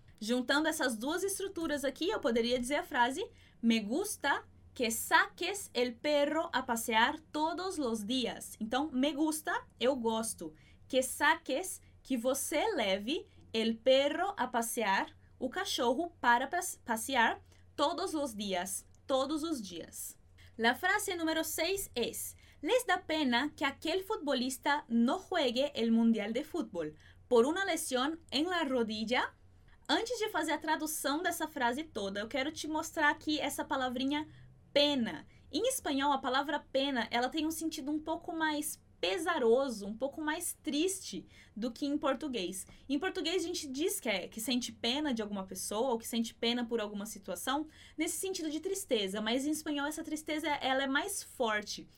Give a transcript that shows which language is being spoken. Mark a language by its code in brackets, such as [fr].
[pt] Juntando essas duas estruturas aqui, eu poderia dizer a frase [es] me gusta que saques el perro a passear todos los días. [pt] Então, [es] me gusta, [pt] eu gosto, [es] que saques, [pt] que você leve [es] el perro a passear, [pt] o cachorro para passear [es] todos los días, [pt] todos os dias. [es] La frase número 6 es: ¿Les da pena que aquel futbolista no juegue el mundial de fútbol por una lesión en la rodilla? [pt] Antes de fazer a tradução dessa frase toda, eu quero te mostrar aqui essa palavrinha pena. Em espanhol, a palavra pena, ela tem um sentido um pouco mais pesaroso, um pouco mais triste do que em português. Em português, a gente diz que sente pena de alguma pessoa ou que sente pena por alguma situação, nesse sentido de tristeza, mas em espanhol essa tristeza ela é mais forte.